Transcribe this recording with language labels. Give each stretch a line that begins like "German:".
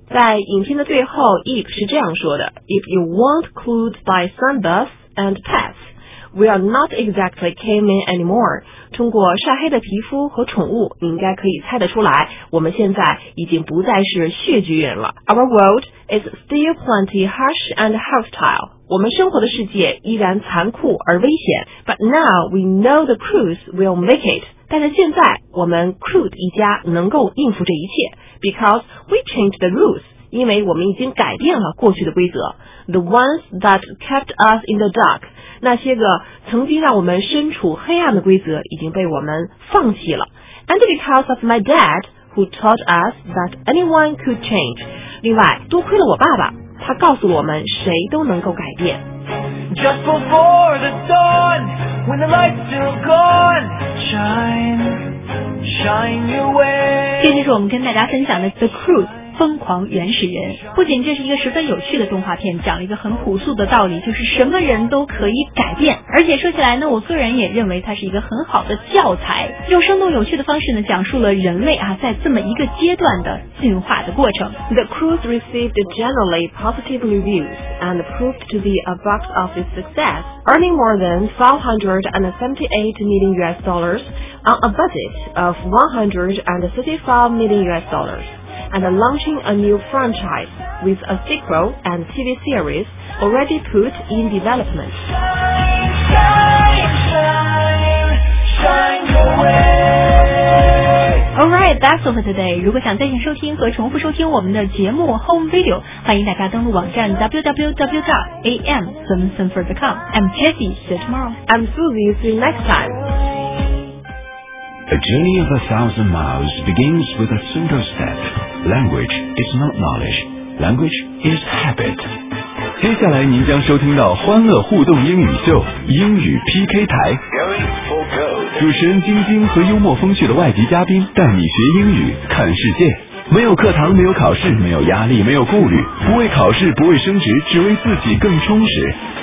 Chinese: 在影片的最后 ，Eep 是这样说的
English: ：“If you weren't clued by sunbaths and pets, we are not exactly cavemen anymore。”
Chinese: 通过晒黑的皮肤和宠物，你应该可以猜得出来，我们现在已经不再是穴居人了。
English: Our world is still plenty harsh and hostile.
Chinese: 我们生活的世界依然残酷而危险。
English: But now we know the crews will make it.
Chinese: 但是现在我们 crew 一家能够应付这一切。
English: Because we changed the rules.
Chinese: 因为我们已经改变了过去的规则。
English: The ones that kept us in the dark.
Chinese: 那些个曾经让我们身处黑暗的规则已经被我们放弃了。
English: And because of my dad, who taught us that anyone could change.
Chinese: 另外，多亏了我爸爸，他告诉我们谁都能够改变。
English: Just before the dawn, when the light's still gone, shine, shine your way.
Chinese: 这就是我们跟大家分享的 The Crews。疯狂原始人，不仅这是一个十分有趣的动画片，讲了一个很朴素的道理，就是什么人都可以改变。而且说起来呢，我个人也认为它是一个很好的教材，用生动有趣的方式呢，讲述了人类啊在这么一个阶段的进化的过程。
English: The crews received generally positive reviews and proved to be a box office success, earning more than $578 million on a budget of $135 million. And launching a new franchise with a sequel and TV series already put in development. All right, that's all for today.
Chinese: 如果想在线收听和重复收听我们的节目 Home Video, 欢迎大家登录网站 www.am7sinfer.com.
English: I'm Jessie, see you tomorrow. I'm Susie, see you next time. A journey of 1,000 miles begins with a single step. Language is not knowledge. Language is habit.
Chinese: 接下来您将收听到欢乐互动英语秀英语 PK 台。主持人晶晶和幽默风趣的外籍嘉宾带你学英语看世界。没有课堂，没有考试，没有压力，没有顾虑，不为考试，不为升职，只为自己更充实。